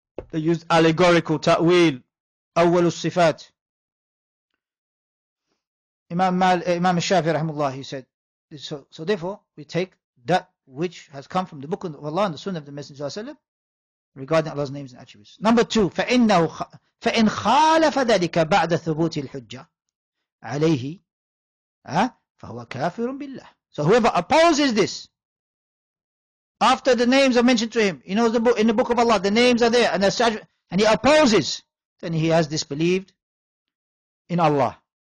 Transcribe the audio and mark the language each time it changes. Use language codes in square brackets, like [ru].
[en] They used allegorical ta'wil, awwal sifat. Imam Shafi'i rahimullah, he said, so therefore we take that which has come from the book of Allah and the sunnah of the Messenger sallallahu alaihi wasallam regarding Allah's names and attributes. Number two, [ar] فَإِنَّهُ فَإِنْ خَالَفَ ذَلِكَ بَعْدَ ثُبُوتِ الْحُجَّةِ عَلَيْهِ فَهُوَ كَافِرٌ بِاللَّهِ. [en] So whoever opposes this, after the names are mentioned to him, he knows the book, in the book of Allah, the names are there, and he opposes, then he has disbelieved in Allah.